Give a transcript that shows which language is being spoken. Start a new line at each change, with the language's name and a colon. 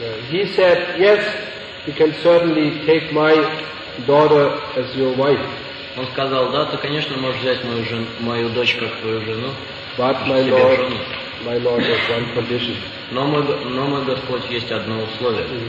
English: He said, yes, you can certainly take my daughter as your wife.
Russian: Он сказал, да, ты, конечно, можешь взять мою дочь как твою жену.
English: But my lord, жену. My lord has one condition.
Russian: Но мой Господь, есть одно условие.